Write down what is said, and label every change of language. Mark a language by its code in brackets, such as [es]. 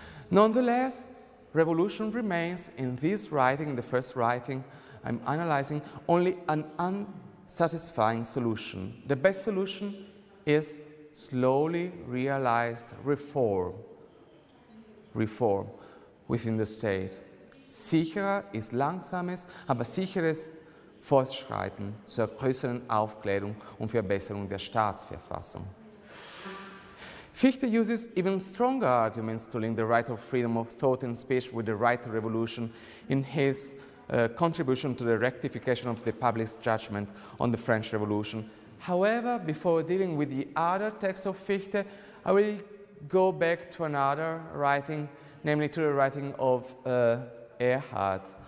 [en] Nonetheless, revolution remains in this writing, the first writing I'm analyzing, only an unsatisfying solution. The best solution is slowly realized reform within the state. [de] Sicherer ist langsames, aber sicheres Fortschreiten zur größeren Aufklärung und Verbesserung der Staatsverfassung. [en] Fichte uses even stronger arguments to link the right of freedom of thought and speech with the right to revolution in his contribution to the rectification of the public's judgment on the French Revolution. However, before dealing with the other text of Fichte, I will go back to another writing, namely to the writing of Erhard.